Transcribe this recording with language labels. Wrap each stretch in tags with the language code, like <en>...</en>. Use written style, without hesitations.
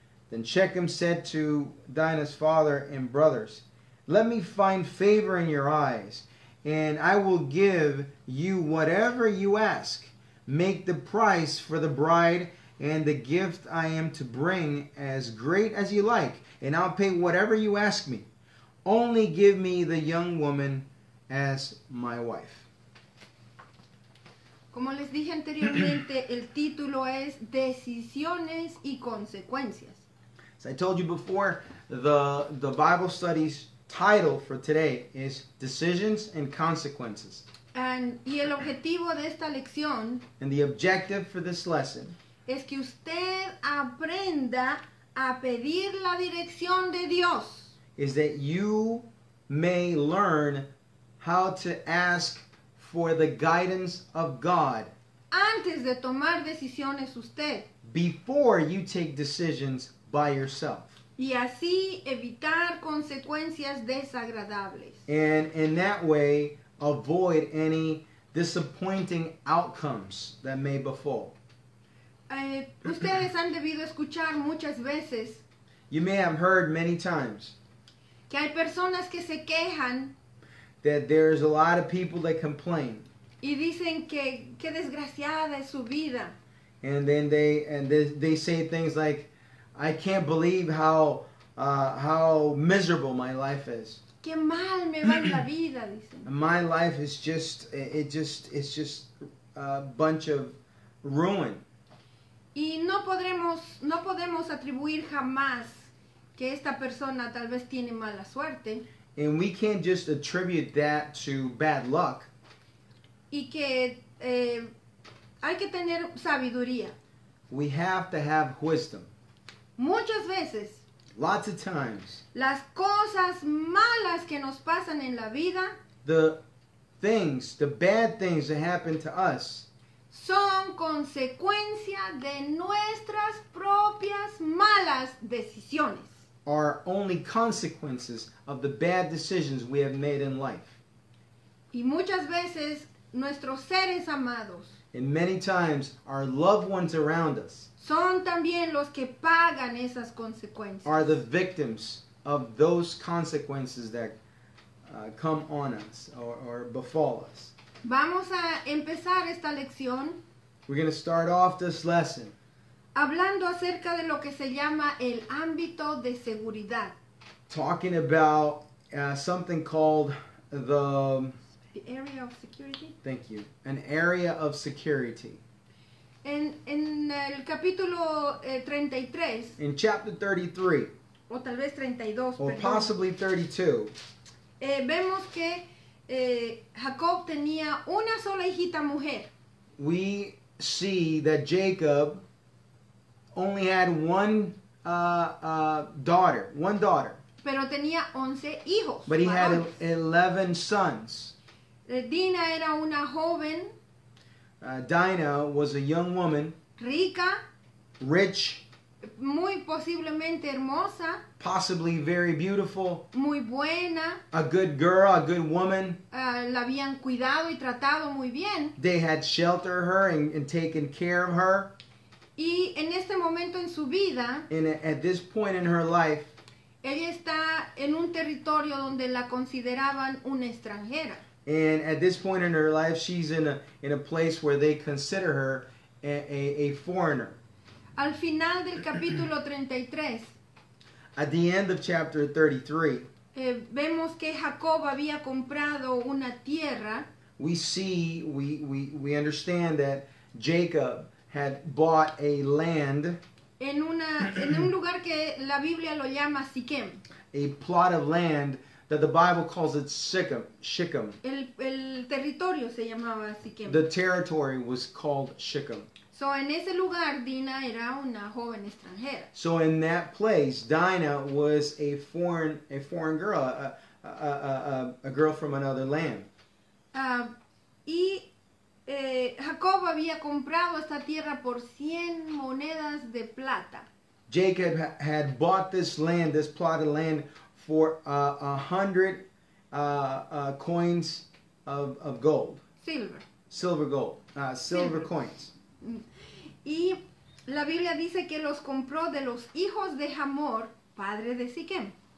<en>Then Shechem said to Dinah's father and brothers, let me find favor in your eyes, and I will give you whatever you ask. Make the price for the bride and the gift I am to bring as great as you like, and I'll pay whatever you ask me. Only give me the young woman as my wife.</en> <es>Como les dije anteriormente, el título es Decisiones y Consecuencias.</es> <en>As I told you before, the Bible studies title for today is Decisions and Consequences.</en> <es>Y el objetivo de esta lección,</es> <en>and the objective for this lesson,</en> <es>es que usted aprenda a pedir la dirección de Dios.</es> <en>Is that you may learn how to ask for the guidance of God.</en> <es>Antes de tomar decisiones usted.</es> <en>Before you take decisions by yourself.</en> <es>Y así evitar consecuencias desagradables.</es> <en>And in that way, avoid any disappointing outcomes that may befall.</en> <es>Ustedes han debido escuchar muchas veces.</es> <en>You may have heard many times.</en> <es>Que hay personas que se quejan.</es> <en>That there's a lot of people that complain.</en> <es>Y dicen que qué desgraciada es su vida.</es> <en>And then they say things like, I can't believe how miserable my life is.</en> <es>Qué mal me va en la vida, dicen.</es> <en>My life is just it's just a bunch of ruin.</en> <es>Y no podemos atribuir jamás que esta persona tal vez tiene mala suerte.</es> <en>And we can't just attribute that to bad luck.</en> <es>Y que hay que tener sabiduría.</es> <en>We have to have wisdom.</en> <es>Muchas veces.</es> <en>Lots of times.</en> <es>Las cosas malas que nos pasan en la vida.</es> <en>The bad things that happen to us.</en> <es>Son consecuencia de nuestras propias malas decisiones.</es> <en>Are only consequences of the bad decisions we have made in life.</en> <es>Y muchas veces nuestros seres amados.</es> <en>And many times our loved ones around us.</en> <es>Son también los que pagan esas consecuencias.</es> <en>Are the victims of those consequences that come on us or befall us.</en> <es>Vamos a empezar esta lección.</es> <en>We're going to start off this lesson.</en> <es>Hablando acerca de lo que se llama el ámbito de seguridad.</es> <en>Talking about something called the area of security. Thank you. An area of security.</en> <es>En el capítulo 33.</es> <en>In chapter 33.</en> <es>O tal vez 32.</es> <en>Or possibly 32.</en> <es>Vemos que Jacob tenía una sola hijita mujer.</es> <en>We see that Jacob only had one daughter.</en> <es>Pero tenía 11 hijos.</es> <en>But he had 11 sons.</en> <es>Dina era una joven.</es> <en>Dinah was a young woman.</en> <es>Rica.</es> <en>Rich.</en> <es>Muy posiblemente hermosa.</es> <en>Possibly very beautiful.</en> <es>Muy buena.</es> <en>A good girl, a good woman.</en> <es>La habían cuidado y tratado muy bien.</es> <en>They had sheltered her and taken care of her.</en> <es>Y en este momento en su vida.</es> <en>And at this point in her life.</en> <es>Ella está en un territorio donde la consideraban una extranjera.</es> <en>And at this point in her life, she's in a place where they consider her a foreigner.</en> <es>Al final del capítulo 33.</es> <en>At the end of chapter 33.</en> <es>Vemos que Jacob había comprado una tierra.</es> <en>We see, we understand that Jacob had bought a land.</en> <es>En un lugar que la Biblia lo llama Siquem.</es> <en>A plot of land that the Bible calls it Siquem. Shechem.</en> <es>El territorio se llamaba Siquem.</es> <en>The territory was called Shechem.</en> <es>So, en ese lugar, Dina era una joven extranjera.</es> <en>So, in that place, Dinah was a foreign girl, a girl from another land.</en> <es>Jacob había comprado esta tierra por 100 monedas de plata.</es> <en>Jacob had bought this land, this plot of land, for 100 coins of gold. Silver. Silver gold. Silver coins.</en> <es>Y la Biblia dice que los compró de los hijos de Hamor, padre de Siquem.</es>